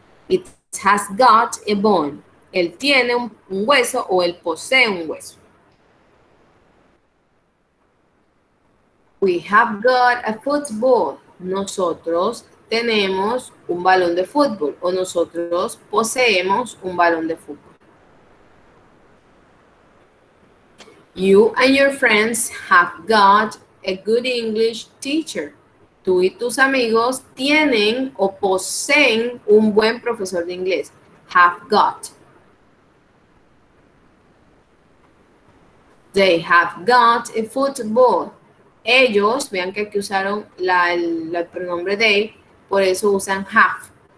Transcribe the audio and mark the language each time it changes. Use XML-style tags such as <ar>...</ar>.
<en>It has got a bone.</en> <es>Él tiene un hueso o él posee un hueso.</es> <en>We have got a football.</en> <es>Nosotros tenemos un balón de fútbol, o nosotros poseemos un balón de fútbol.</es> <en>You and your friends have got a good English teacher.</en> <es>tú y tus amigos tienen o poseen un buen profesor de inglés.</es> <en>Have got. They have got a football.</en> <es>Ellos, vean que aquí usaron el pronombre they, por eso usan have.</es>